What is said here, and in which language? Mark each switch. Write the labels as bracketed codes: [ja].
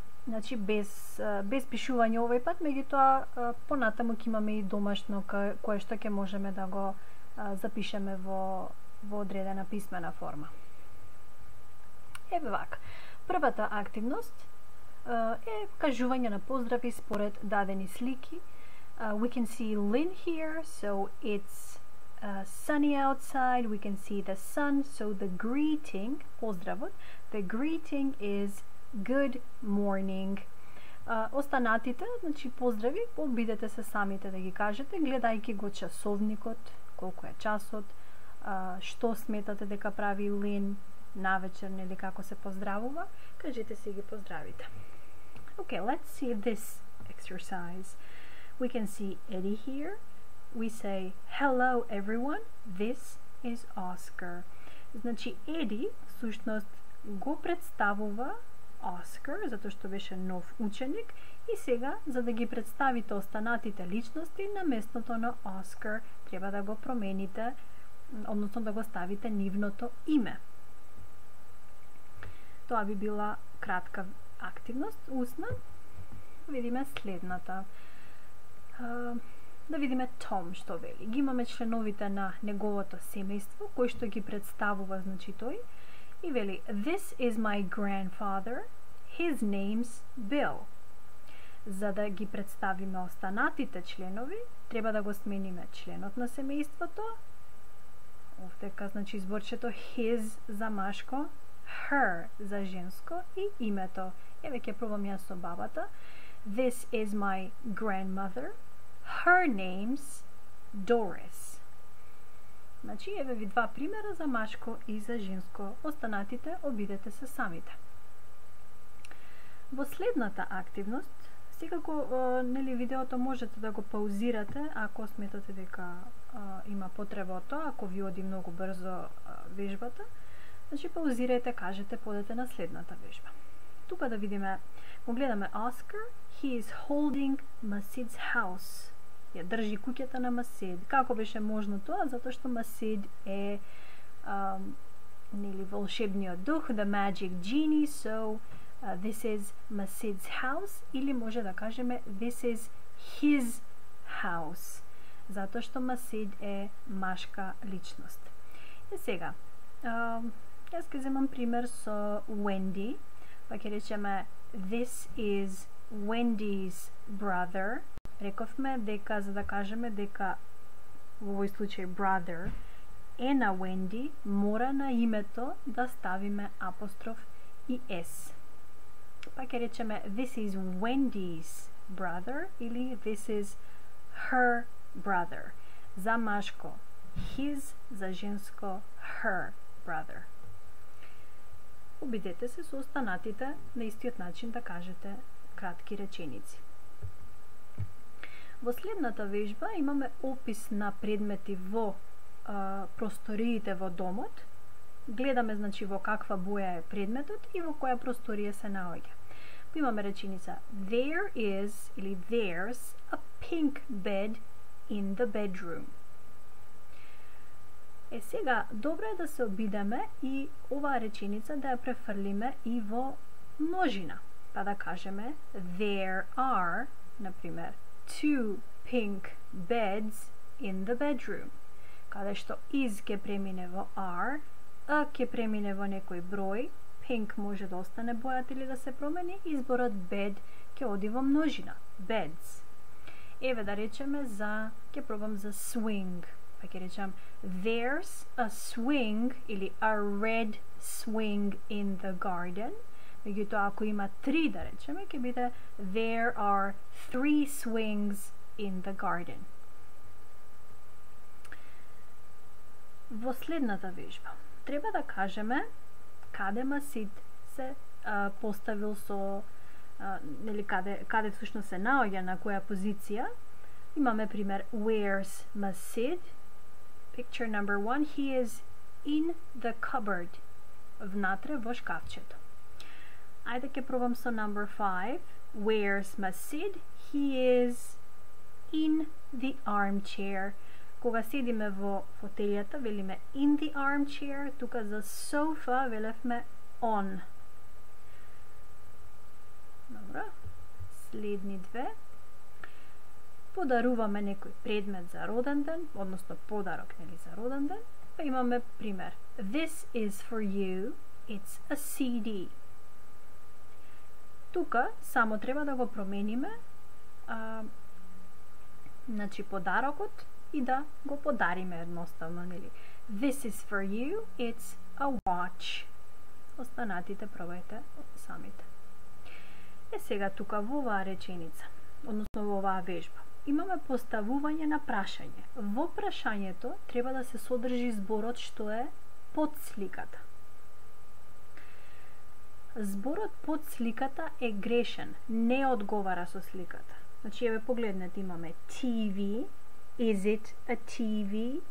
[mk] Значи, без пишување овој пат, меѓутоа понатаму ќе имаме и домашно кое што ќе можеме да го запишеме во одредена писмена форма. Еве вака. Првата активност е кажување на поздрави според дадени слики. [en] We can see Lynn here, so it's sunny outside, we can see the sun, so the greeting, [mk] поздравот, [en] the greeting is good morning. [mk] Останатите, значи поздрави, обидете се самите да ги кажете, гледајќи го часовникот, колку е часот, што сметате дека прави Лин навечер, или како се поздравува, кажете си ги поздравите. [en] Okay, let's see this exercise. We can see Eddie here. We say, hello everyone, this is Oscar. [mk] Значи, Еди, всушност, го представува Оскар, затоа што беше нов ученик, и сега, за да ги представите останатите личности, на местото на Оскар треба да го промените, односно да го ставите нивното име. Тоа би била кратка активност, усна. Видиме следната. Да видиме Том што вели. Ги имаме членовите на неговото семејство, кој што ги представува, значи тој. И вели, [en] this is my grandfather, his name's Bill. [mk] За да ги представиме останатите членови, треба да го смениме членот на семејството. Овде ка, значи, зборчето his за машко, her за женско и името. Еве, ќе пробам јас со бабата. [en] This is my grandmother. Her name's Doris. [mk] Значи, еве ви два примера за машко и за женско. Останатите, обидете се самите. Во следната активност, секако, нели, видеото можете да го паузирате, ако сметате дека има потреба од тоа, ако ви оди многу брзо вежбата. Значи, паузирајте, кажете, подете на следната вежба. Тука да видиме, го гледаме Оскар. [en] He is holding Masid's house. [mk] Ја држи куќата на Масид. Како беше можно тоа? Затоа што Масид е нели волшебниот дух, [en] the magic genie, so this is Masid's house, [mk] или може да кажеме [en] this is his house, [mk] затоа што Масид е машка личност. И сега, јас ќе земам пример со Wendy, па ќе речеме [en] this is Wendy's brother. [mk] Рековме дека, за да кажеме дека во овој случај brother е на Wendy, мора на името да ставиме апостроф и S. Па ќе речеме [en] this is Wendy's brother, [mk] или [en] this is her brother. [mk] За машко his, за женско her brother. Обидете се со останатите на истиот начин да кажете кратки реченици. Во следната вежба имаме опис на предмети во просториите во домот. Гледаме, значи, во каква боја е предметот и во која просторија се наоѓа. Имаме реченица [en] there is, [mk] или [en] there's a pink bed in the bedroom. [mk] Е, сега, добро е да се обидеме и оваа реченица да ја префрлиме и во множина. Па да кажеме [en] there are, [mk] например, [en] two pink beds in the bedroom. [mk] Каде што is ке премине во are, a ке премине во некој број, p pink може да остане бојат или да се промени, изборот bed ќе оди во множина, beds. Еве да речеме за, ќе пробам за swing, па ќе речам [en] there's a swing [mk] или [en] a red swing in the garden. [mk] Меѓутоа, ако има три, да речеме, ќе биде [en] there are three swings in the garden. [mk] Во следната вежба, треба да кажеме каде масит се поставил со, нели, каде всушно се наоѓа, на која позиција. [en] Имаме пример, where's Masid? Picture number one, he is in the cupboard, [mk] внатре во шкафчето. Ајде ке пробам со [en] number 5. Where's Masid? He is in the armchair. [mk] Кога седиме во фотелјата, велиме [en] in the armchair, [mk] тука за sofa велевме on. Добро. Следни две. Подаруваме некој предмет за роденден, односно подарок, нели, за роденден. [en] Па имаме пример. This is for you. It's a CD. [mk] Тука само треба да го промениме, значи подарокот, и да го подариме едноставно, нели. [en] This is for you, it's a watch. [mk] Останатите пробајте самите. Е, сега тука во оваа реченица, односно во оваа вежба, имаме поставување на прашање. Во прашањето треба да се содржи зборот што е под сликата. Зборот под сликата е грешен, не одговара со сликата. Значи, еве погледнете, имаме TV, [en] is it a TV?